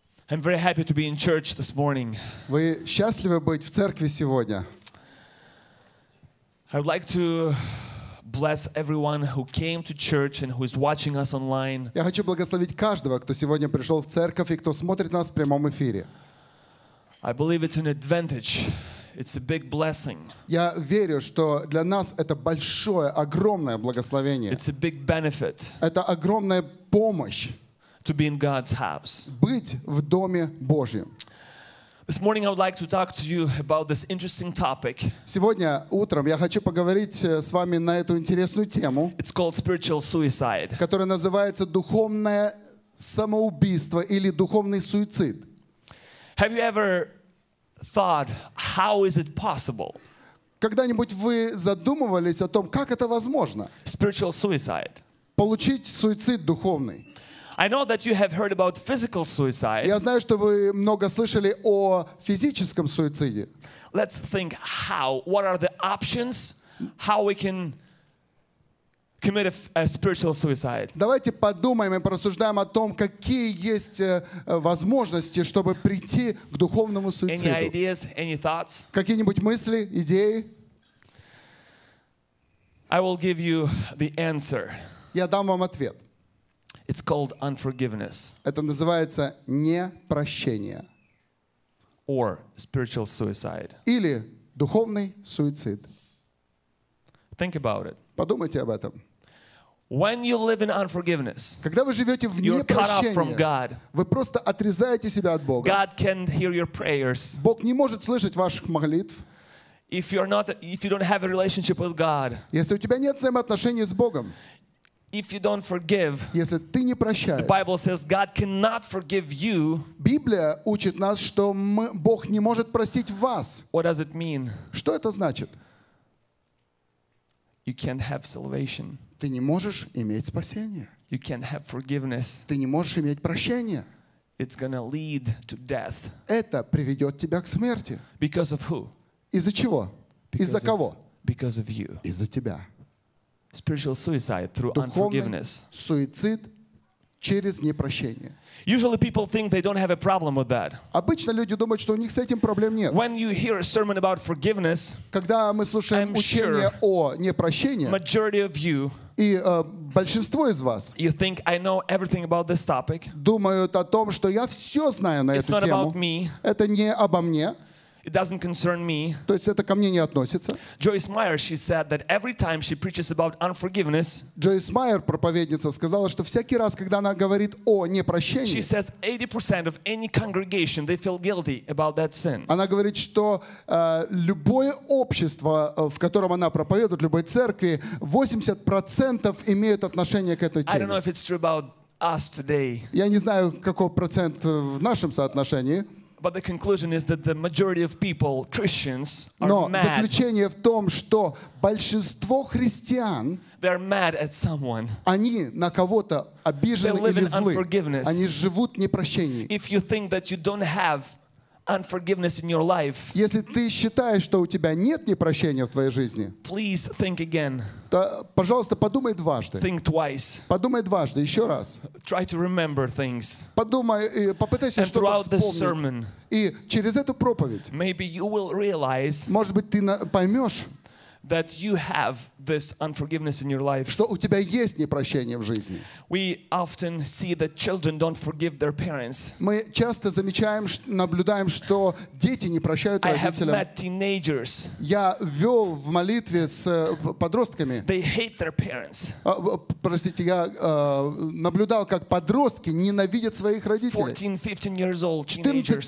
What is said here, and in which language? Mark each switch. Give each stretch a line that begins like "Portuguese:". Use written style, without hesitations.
English: very happy to be in church this morning.
Russian: Вы счастливы быть в церкви сегодня?
English: I would like to bless everyone who came to church and who is watching us online.
Russian: Я хочу благословить каждого, кто сегодня пришел в церковь и кто смотрит нас в прямом эфире.
English: I believe it's an advantage. It's a big blessing.
Russian: Я верю, что для нас это большое, огромное благословение.
English: It's a big benefit.
Russian: Это огромная помощь.
English: To be in God's house.
Russian: Быть в доме Божьем.
English: This morning I would like to talk to you about this interesting topic.
Russian: Сегодня утром я хочу поговорить с вами на эту интересную тему.
English: It's called spiritual suicide.
Russian: Которая называется духовное самоубийство или духовный суицид.
English: Have you ever thought how is it possible?
Russian: Когда-нибудь вы задумывались о том, как это возможно?
English: Spiritual suicide.
Russian: Получить суицид духовный.
English: I know that you have heard about physical suicide.
Russian: Я знаю, что вы много слышали о физическом суициде.
English: Let's think how. What are the options? How we can commit a spiritual suicide?
Russian: Давайте подумаем и порассуждаем о том, какие есть возможности, чтобы прийти к духовному суициду.
English: Any ideas? Any thoughts?
Russian: Какие-нибудь мысли, идеи?
English: I will give you the answer.
Russian: Я дам вам ответ.
English: It's called unforgiveness.
Russian: Это называется непрощение.
English: Or spiritual suicide.
Russian: Или духовный суицид.
English: Think about it.
Russian: Подумайте об этом.
English: When you live in unforgiveness,
Russian: когда вы живете в непрощении, вы просто отрезаете себя от Бога.
English: God can't hear your prayers.
Russian: Бог не может слышать ваших молитв.
English: If you don't have a relationship with God,
Russian: если у тебя нет взаимоотношений с Богом,
English: if you don't forgive,
Russian: если ты не прощаешь,
English: the Bible says God cannot forgive you.
Russian: Библия учит нас, что Бог не может простить вас.
English: What does it mean?
Russian: Что это значит?
English: You can't have salvation.
Russian: Ты не можешь иметь спасение.
English: You can't have forgiveness.
Russian: Ты не можешь иметь прощение.
English: It's gonna lead to death.
Russian: Это приведет тебя к смерти.
English: Because of who?
Russian: Из-за чего? Из-за кого?
English: Because of you.
Russian: Из-за тебя.
English: Spiritual suicide through unforgiveness.
Russian: Духовный суицид через непрощение.
English: Usually people think they don't have a problem with that.
Russian: Обычно люди думают, что у них с этим проблем нет.
English: When you hear a sermon about forgiveness,
Russian: когда мы слушаем учение о непрощении,
English: majority of you,
Russian: и большинство из вас,
English: you think I know everything about this topic.
Russian: Думают о том, что я все знаю на эту тему.
English: It's not about me.
Russian: Это не обо мне.
English: It doesn't concern me.
Russian: То есть это ко мне не относится.
English: Joyce Meyer, she said that every time she preaches about unforgiveness.
Russian: Joyce Meyer, проповедница, сказала, что всякий раз, когда она говорит о непрощении,
English: she says 80% of any congregation they feel guilty about that sin.
Russian: Она говорит, что любое общество, в котором она проповедует, любой церкви, 80% имеют отношение к этой теме.
English: I don't know if it's true about us today.
Russian: Я не знаю, какой процент в нашем соотношении.
English: But the conclusion is that the majority of people, Christians, are mad.
Russian: Но заключение в том, что большинство христиан,
English: they're mad at someone.
Russian: Они на кого-то обижены или злы.
English: They live in unforgiveness.
Russian: Они живут в непрощении.
English: If you think that you don't have unforgiveness in your life,
Russian: если ты считаешь, что у тебя нет непрощения в твоей жизни,
English: please think again.
Russian: То, пожалуйста, подумай дважды.
English: Think twice.
Russian: Подумай дважды, еще раз.
English: Try to remember things.
Russian: Подумай, попытайся
English: and
Russian: что-то
English: throughout
Russian: вспомнить.
English: This sermon,
Russian: и через эту проповедь,
English: maybe you will realize,
Russian: может быть, ты поймешь,
English: that you have this unforgiveness in your life.
Russian: Что у тебя есть непрощение в жизни.
English: We often see that children don't forgive their parents.
Russian: Мы часто замечаем, наблюдаем, что дети не прощают родителям.
English: I have met teenagers.
Russian: Я вел в молитве с подростками.
English: They hate their parents.
Russian: Простите, я наблюдал, как подростки ненавидят своих родителей.
English: 14-15 years old teenagers.